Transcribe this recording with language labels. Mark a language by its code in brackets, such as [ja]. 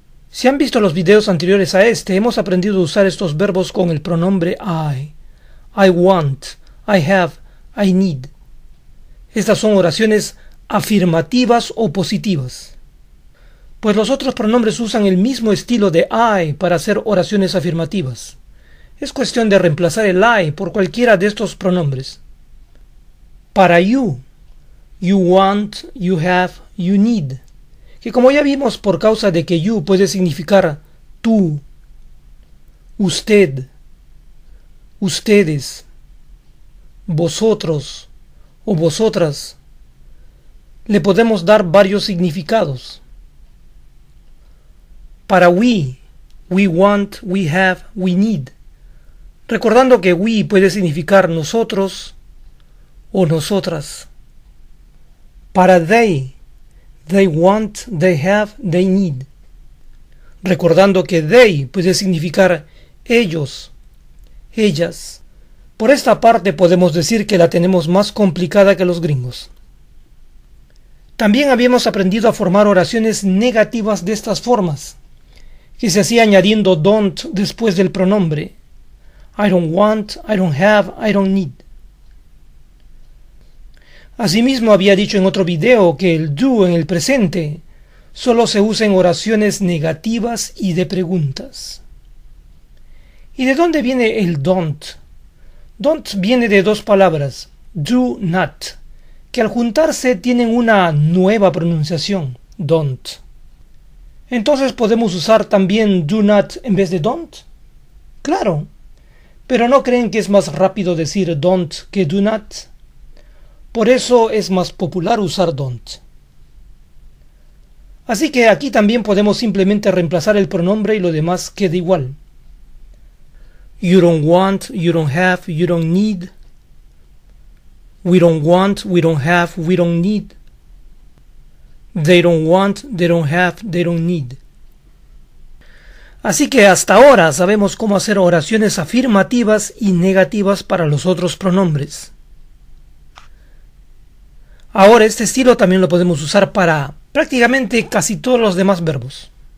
[es] Si han visto los videos anteriores a este, hemos aprendido a usar estos verbos con el pronombre [en] I want, I have, I need. [es] Estas son oraciones afirmativas o positivas. Pues los otros pronombres usan el mismo estilo de I para hacer oraciones afirmativas. Es cuestión de reemplazar el I por cualquiera de estos pronombres. Para [en] you, you want, you have, you need. [es] Que como ya vimos, por causa de que you puede significar tú, usted, ustedes, vosotros o vosotras, le podemos dar varios significados. Para [en] we want, we have, we need. [es] Recordando que we puede significar nosotros o nosotras. Para [en] they, they want, they have, they need. [es] Recordando que they puede significar ellos, ellas. Por esta parte podemos decir que la tenemos más complicada que los gringos. También habíamos aprendido a formar oraciones negativas de estas formas, que se hacía añadiendo don't después del pronombre. [en] I don't want, I don't have, I don't need. [es] Asimismo, había dicho en otro video que el do en el presente solo se usa en oraciones negativas y de preguntas. ¿Y de dónde viene el don't? Don't viene de dos palabras, do not, que al juntarse tienen una nueva pronunciación, don't. Entonces, ¿podemos usar también do not en vez de don't? Claro, pero ¿no creen que es más rápido decir don't que do not? Por eso es más popular usar don't. Así que aquí también podemos simplemente reemplazar el pronombre y lo demás queda igual. [en] You don't want, you don't have, you don't need. We don't want, we don't have, we don't need. They don't want, they don't have, they don't need. [es] Así que hasta ahora sabemos cómo hacer oraciones afirmativas y negativas para los otros pronombres. Ahora, este estilo también lo podemos usar para prácticamente casi todos los demás verbos.